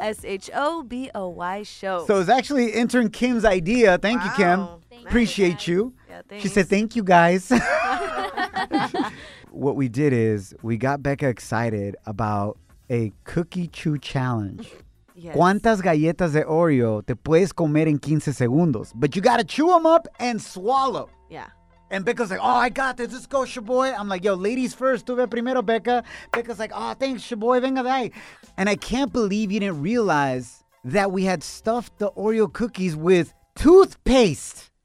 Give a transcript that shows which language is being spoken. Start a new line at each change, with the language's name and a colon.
English: S-H-O-B-O-Y Show. So it's actually intern Kim's idea. Thank you, Kim. Appreciate you. Thanks. She said, thank you, guys. What we did is we got Becca excited about a cookie chew challenge. Yes.
Spanish: ¿Cuántas galletas de Oreo te puedes comer en 15 segundos?
English: But you got to chew them up and swallow. Yeah. And Becca's like, oh, I got this. Let's go, ShaBoy. I'm like, yo, ladies first.
Spanish: Tuve primero,
English: Becca. Becca's like, oh, thanks, ShaBoy.
Spanish: Venga,
Italian: dai.
English: And I can't believe you didn't realize that we had stuffed the Oreo cookies with toothpaste.